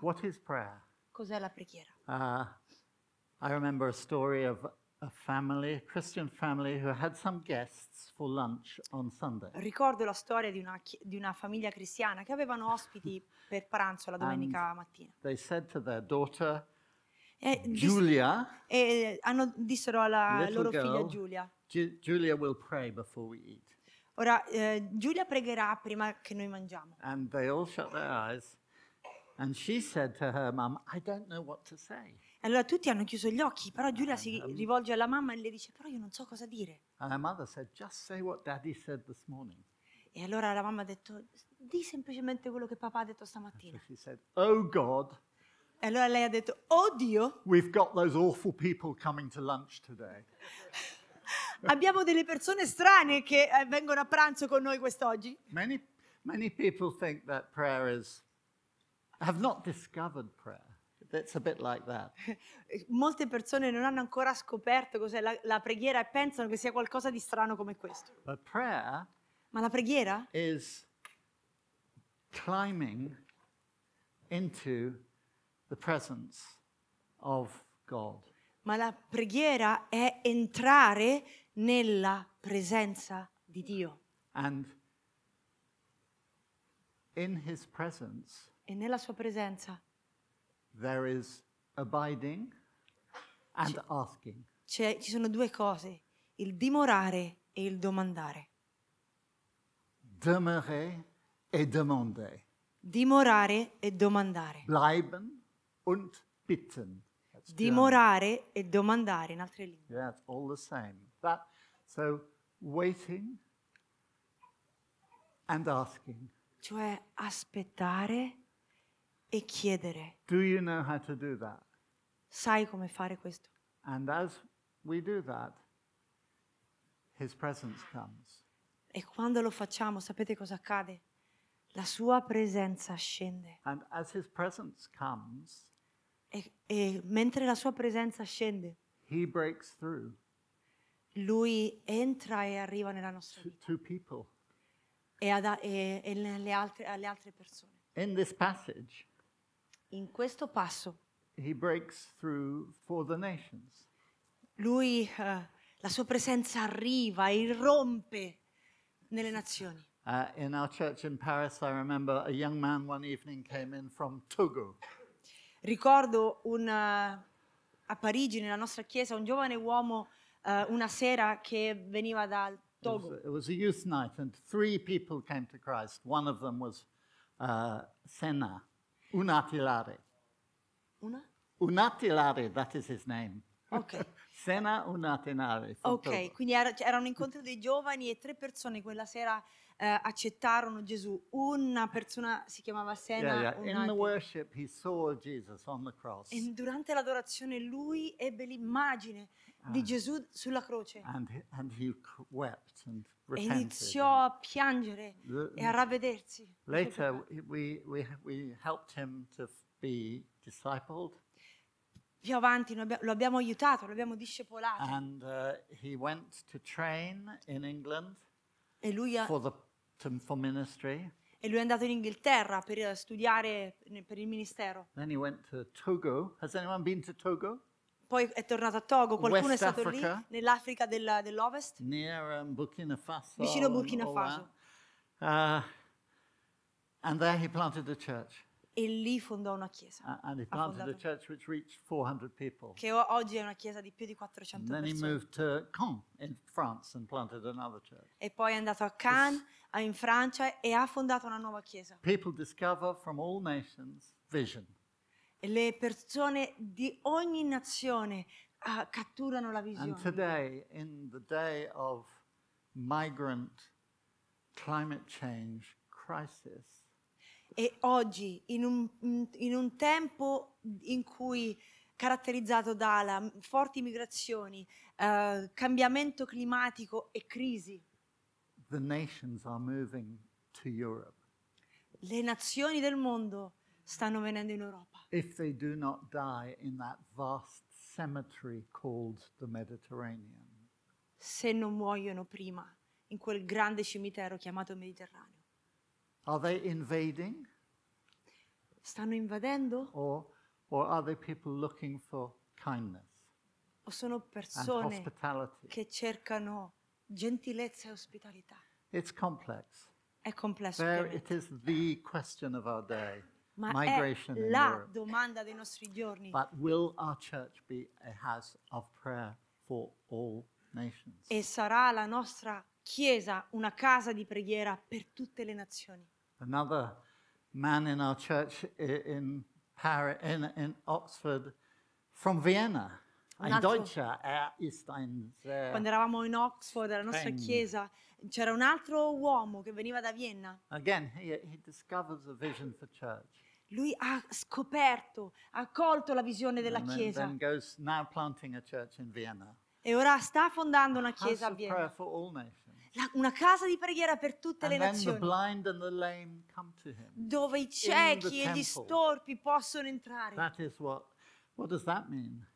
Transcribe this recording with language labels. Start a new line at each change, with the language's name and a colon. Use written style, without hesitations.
English: What is prayer?
Italian: Cos'è la preghiera?
English: I remember a story of a family, a Christian family, who had some guests for lunch on Sunday.
Italian: Ricordo la storia di una famiglia cristiana che avevano ospiti per pranzo la domenica mattina.
English: They said to their daughter, Giulia,
Italian: e hanno dissero alla loro figlia Giulia.
English: Giulia will pray before we eat.
Italian: Ora Giulia pregherà prima che noi mangiamo.
English: And they all shut their eyes. And she said to her mom, I don't know what to say.
Italian: Allora tutti hanno chiuso gli occhi, però Giulia si rivolge alla mamma e le dice, però io non so cosa dire.
English: And her mother said, just say what daddy said this morning.
Italian: E allora la mamma ha detto, di semplicemente quello che papà ha detto stamattina.
English: And she said, oh God.
Italian: E allora lei ha detto, oh Dio.
English: We've got those awful people coming to lunch today.
Italian: Abbiamo delle persone strane che vengono a pranzo con noi quest'oggi.
English: Many people think that prayer is, have not discovered prayer. That's a bit like that.
Italian: Molte persone non hanno ancora scoperto cos'è la preghiera e pensano che sia qualcosa di strano come questo.
English: But prayer,
Italian: ma la preghiera,
English: is climbing into the presence of God.
Italian: Ma la preghiera è entrare nella presenza di Dio.
English: And in his presence,
Italian: e nella sua presenza,
English: there is abiding and asking.
Italian: Ci sono due cose, il dimorare e il domandare.
French: Demeurer et demander.
Italian: Dimorare e domandare.
German: Bleiben und bitten.
English: That's
Italian: dimorare e domandare in altre lingue.
English: That's all the same. That, so waiting and asking.
Italian: Cioè aspettare e chiedere.
English: Do you know how to do that?
Italian: Sai come fare questo?
English: And as we do that, his presence comes.
Italian: E quando lo facciamo, sapete cosa accade? La sua presenza scende.
English: And as his presence comes,
Italian: e mentre la sua presenza scende,
English: he breaks through.
Italian: Lui entra e arriva nella nostra vita.
English: To people.
Italian: E alle altre persone.
English: In this passage,
Italian: in questo passo,
English: he breaks through for the nations.
Italian: Lui, la sua presenza arriva, irrompe nelle nazioni.
English: In our church in Paris, I remember a young man one evening came in from Togo.
Italian: Ricordo a Parigi, nella nostra chiesa, un giovane uomo una sera che veniva dal Togo.
English: It was a youth night and three people came to Christ. One of them was Senna. Unatilare. Unatilare, that is his name. Okay. Senna Unatilare. Okay, Togo.
Italian: Quindi era un incontro dei giovani e tre persone quella sera accettarono Gesù. Una persona si chiamava Senna.
English: In the worship he saw Jesus on the cross.
Italian: E durante l'adorazione lui ebbe l'immagine di Gesù sulla croce.
English: And he wept and repented.
Italian: E iniziò a piangere e a ravvedersi.
English: Later we helped him to be discipled.
Italian: Più avanti lo abbiamo aiutato, lo abbiamo discepolato.
English: And he went to train in England.
Italian: E lui
English: for ministry.
Italian: E lui è andato in Inghilterra per studiare per il ministero.
English: Then he went to Togo. Has anyone been to Togo?
Italian: Poi è tornato a Togo, qualcuno
English: West
Italian: è stato
English: Africa,
Italian: lì, nell'Africa dell'Ovest,
English: Burkina Faso,
Italian: vicino Burkina Faso.
English: And there he planted a church.
Italian: E lì fondò una chiesa.
English: And he planted a church which reached 400 people.
Italian: Che oggi è una chiesa di più di 400
English: and
Italian: persone.
English: Then he moved to Caen in France and planted another church.
Italian: E poi è andato a Caen, in Francia, e ha fondato una nuova chiesa.
English: People discover from all nations vision.
Italian: E le persone di ogni nazione catturano la visione.
English: And today, in the day of migrant climate change crisis,
Italian: e oggi, in un tempo in cui caratterizzato dalla forti migrazioni, cambiamento climatico e crisi,
English: the nations are moving to Europe.
Italian: Le nazioni del mondo stanno venendo in Europa.
English: If they do not die in that vast cemetery called the Mediterranean.
Italian: Se non muoiono prima in quel grande cimitero chiamato Mediterraneo.
English: Are they invading?
Italian: Stanno invadendo?
English: Or are they people looking for kindness?
Italian: O sono persone che cercano gentilezza e ospitalità?
English: It's complex.
Italian: È complesso.
English: There it is, the question of our day.
Italian: ma migration è la
English: in Europe.
Italian: Domanda dei nostri giorni.
English: But will our church be a house of prayer for all nations?
Italian: E sarà la nostra chiesa una casa di preghiera per tutte le nazioni.
English: Another man in our church in Paris, in Oxford, from Vienna.
German: In Deutscher, ist ein sehr
Italian: quando eravamo in Oxford, nella nostra chiesa, c'era un altro uomo che veniva da Vienna.
English: Again, he discovers a vision for church.
Italian: Lui ha scoperto, ha colto la visione della chiesa.
English: And then goes now planting a church in Vienna.
Italian: E ora sta fondando una chiesa a Vienna.
English: House of prayer for all nations.
Italian: Una casa di preghiera per tutte
English: and
Italian: le nazioni.
English: The blind and the lame come to him,
Italian: dove i ciechi e gli storpi possono entrare.
English: That is what does that mean?